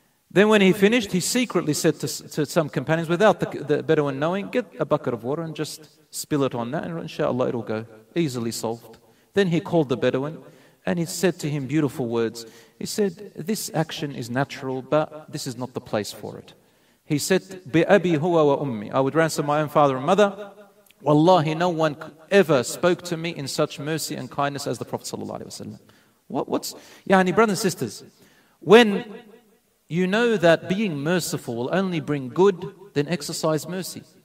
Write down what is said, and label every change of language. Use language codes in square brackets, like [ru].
[en] Then when he finished, he secretly said to some companions, without the Bedouin knowing, get a bucket of water and just spill it on that, and inshallah it'll go. Easily solved. Then he called the Bedouin, and he said to him beautiful words. He said, this action is natural, but this is not the place for it. He said, [ar] بِأَبِي هُوَ وَأُمِّي. [en] I would ransom my own father and mother. Wallahi, no one ever spoke to me in such mercy and kindness as the Prophet sallallahu alaihi wasallam. What's... Yani, brothers and sisters, when you know that being merciful will only bring good, then exercise mercy.